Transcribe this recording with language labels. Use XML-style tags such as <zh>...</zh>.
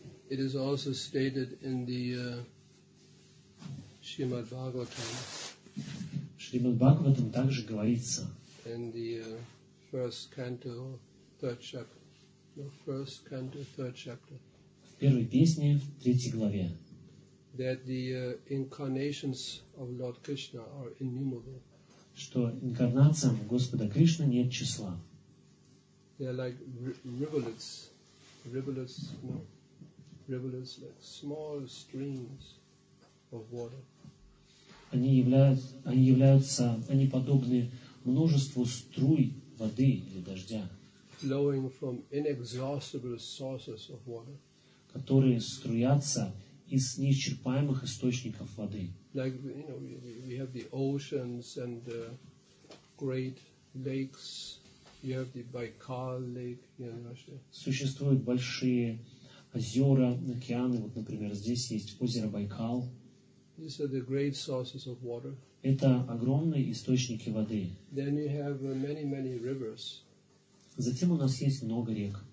<en>It is also stated in the Шримад Бхагаватам.</en> <ru>В Шримад Бхагаватам также говорится.</ru> <en>In the first canto, third chapter. The first canto, third chapter.</en> <ru>В первой песне, в третьей главе.</ru> <en>That the incarnations of Lord Krishna are innumerable.</en> <ru>Что инкарнациям Господа Кришны нет числа.</ru> <en>They are like rivulets, no? Rivulets, like small streams of water.</en> <ru>Они подобны множеству струй воды или дождя.</ru> <en>Flowing from inexhaustible sources of water.</en> <ru>Которые струятся из неисчерпаемых источников воды.</ru> <en>Like, you know, we have the oceans and the great lakes. You have the Baikal Lake in Russia.</en> <ru>Существуют большие озера, океаны. Вот, например, здесь есть озеро Байкал.</ru> <en>These are the great sources of water.</en> <ru>Это огромные источники воды.</ru> <en>Then you have many, many rivers.</en> <ru>Затем у нас есть много рек.</ru>